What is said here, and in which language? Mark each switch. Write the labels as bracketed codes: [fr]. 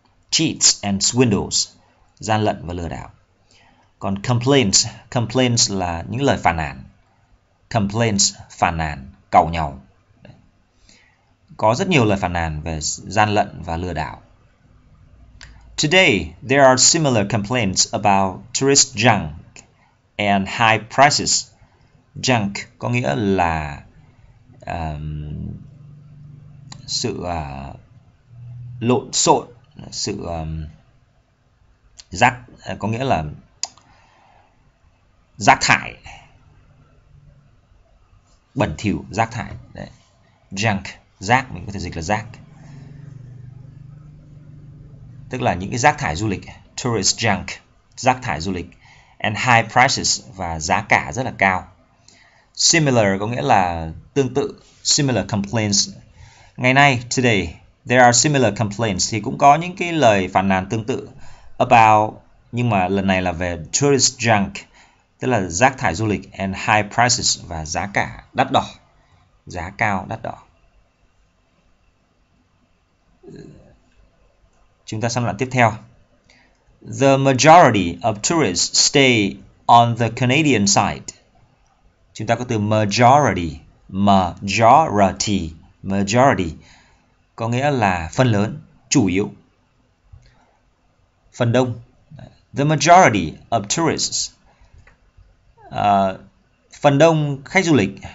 [vi] Cheats and swindles, gian lận và lừa đảo. Còn complaints là những lời phàn nàn. Complaints, phàn nàn, cầu nhau. Có rất nhiều lời phàn nàn về gian lận và lừa đảo. [en] Today, there are similar complaints about tourist junk and high prices. [vi] Junk có nghĩa là sự lộn xộn, sự rác, có nghĩa là rác thải, bẩn thỉu, rác thải. Đấy. Junk, rác, mình có thể dịch là rác. tức là những cái rác thải du lịch, tourist junk, rác thải du lịch, and high prices, và giá cả rất là cao. Similar có nghĩa là tương tự, similar complaints. Ngày nay, today, there are similar complaints, thì cũng có những cái lời phàn nàn tương tự about, nhưng mà lần này là về tourist junk, tức là rác thải du lịch, and high prices, và giá cả đắt đỏ, giá cao đắt đỏ. Chúng ta sang đoạn tiếp theo. [en] The majority of tourists stay on the Canadian side. [vi] Chúng ta có từ majority, majority, majority, có nghĩa là phần lớn, chủ yếu, phần đông. The majority of tourists, phần đông khách du lịch.